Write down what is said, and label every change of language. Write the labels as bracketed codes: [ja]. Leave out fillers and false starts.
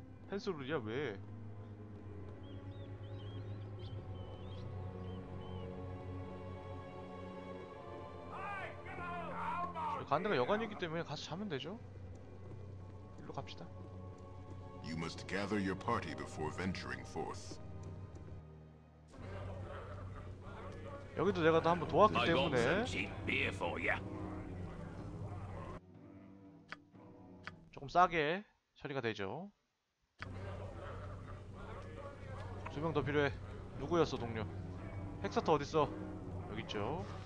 [ko] 펜스룰이야 왜? 가는 데가 여관이기 때문에 가서 자면 되죠. 일로 갑시다. [en] You must gather your party before venturing forth. [ko] 여기도 내가 또 한번 도왔기 때문에. 조금 싸게 처리가 되죠. 두 명 더 필요해. 누구였어 동료? 헥스터 어디 있어? 여기 있죠.